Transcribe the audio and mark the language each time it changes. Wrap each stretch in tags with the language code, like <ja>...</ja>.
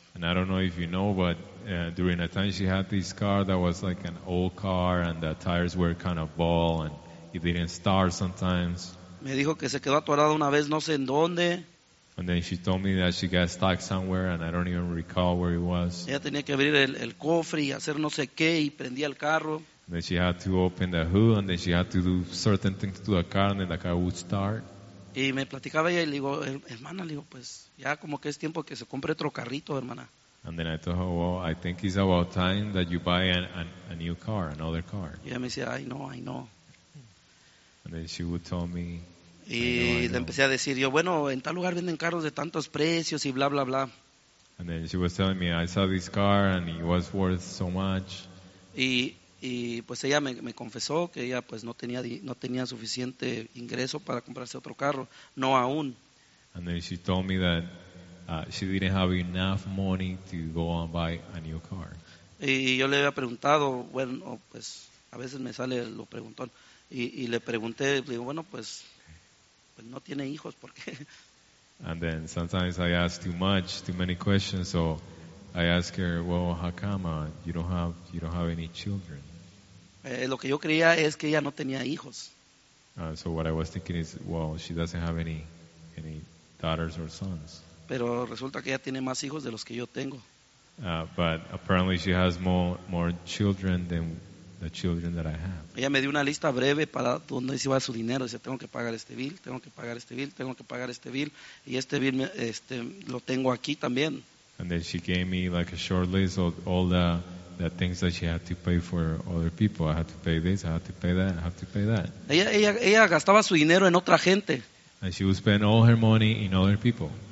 <en>And I don't know if you know, but during a time she had this car that was like an old car, and the tires were kind of bald, and it didn't start sometimes.</en> <es>Me dijo que se quedó atorada una vez, no sé en dónde.</es> <en>And then she told me that she got stuck somewhere and I don't even recall where it was.</en> <es>Ella tenía que abrir el cofre y hacer no sé qué y prendía el carro.</es> <en>And then she had to open the hood and then she had to do certain things to the car and then the car would start.</en> <es>Y me platicaba ella y le digo, hermana, le digo, pues ya como que es tiempo que se compre otro carrito, hermana.</es> <en>And then I told her, well, I think it's about time that you buy a new car, another car.</en> <es>Y ella me decía,</es> <en>I know, I know. And then she would tell me,</en> <es>y le empecé a decir yo, bueno, en tal lugar venden carros de tantos precios y bla, bla, bla.</es> <en>And then she was telling me, I saw this car and it was worth so much.</en> <es>Y pues ella me confesó que ella pues no tenía suficiente ingreso para comprarse otro carro, no aún.</es> <en>And then she told me that she didn't have enough money to go and buy a new car.</en> <es>Y yo le había preguntado, bueno, pues a veces me sale lo preguntón, y le pregunté, digo, bueno, pues no tiene hijos, ¿por qué?</es> <en>And then sometimes I ask too many questions, so I ask her, well, how come you don't have any children?</en> <es>Lo que yo creía es que ella no tenía hijos.</es> <en>So what I was thinking is, well, she doesn't have any daughters or sons.</en> <es>Pero resulta que ella tiene más hijos de los que yo tengo.</es> <en>But apparently she has more children than the children that I have.</en> <es>Ella me dio una lista breve para dónde se iba su dinero. Dice, tengo que pagar este bill, tengo que pagar este bill, tengo que pagar este bill. Y este bill lo tengo aquí también.</es> <en>And then she gave me like a short list of all the things that she had to pay for other people. I had to pay this, I had to pay that, I had to pay that.</en> <es>Ella gastaba su dinero en otra gente.</es> <en>And she would spend all her money in other people.</en>